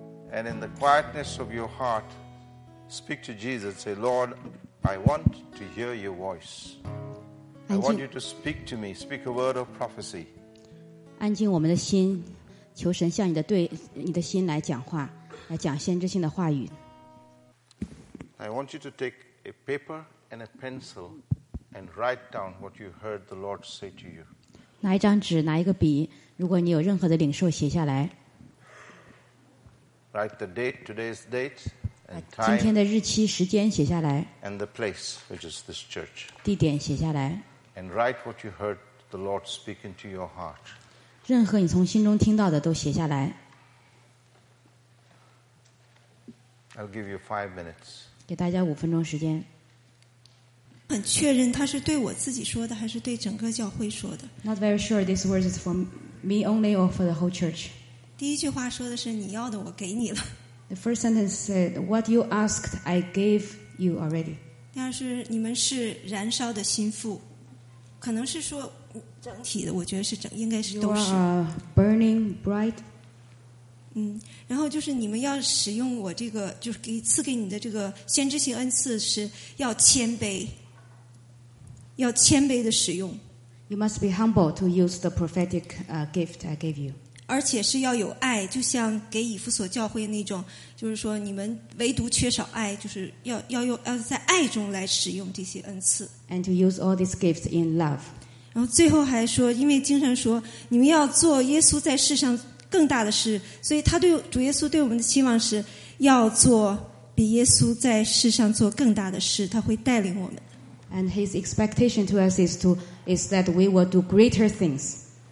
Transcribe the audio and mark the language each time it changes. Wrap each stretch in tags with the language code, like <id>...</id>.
<en>And in the quietness of your heart, speak to Jesus. Say, Lord, I want to hear your voice. I want you to speak to me. Speak a word of prophecy.</en> <zh>安静我们的心，求神向你的对你的心来讲话，来讲先知性的话语。</zh> <en>I want you to take a paper and a pencil. And write down what you heard the Lord say to you.</en> <zh>拿一张纸，拿一个笔。如果你有任何的领受，写下来。</zh> <en>Write the date, today's date, and time.</en> <zh>今天的日期、时间写下来。</zh> <en>And the place, which is this church.</en> <zh>地点写下来。</zh> <en>And write what you heard the Lord speak into your heart.</en> <zh>任何你从心中听到的都写下来。</zh> <en>I'll give you 5 minutes.</en> <zh>给大家五分钟时间。很确认他是对我自己说的还是对整个教会说的</zh> <en>Not very sure these words is for me only or for the whole church</en> <zh>第一句话说的是你要的我给你了</zh> <en>The first sentence said What you asked I gave you already</en> <zh>第二是你们是燃烧的心腹可能是说整体的我觉得是整应该是都是</zh> <en>You are burning bright</en> <zh>然后就是你们要使用我这个就是给赐给你的这个先知性恩赐是要谦卑要谦卑的使用</zh> <en>You must be humble to use the prophetic gift I gave you</en> <zh>而且是要有爱就像给以弗所教会那种就是说你们唯独缺少爱就是 要在爱中来使用这些恩赐</zh> <en>And to use all these gifts in love</en> <zh>然后最后还说因为经常说你们要做耶稣在世上更大的事所以他对主耶稣对我们的期望是要做比耶稣在世上做更大的事他会带领我们</zh> <en>And his expectation to us is that we will do greater things.</en>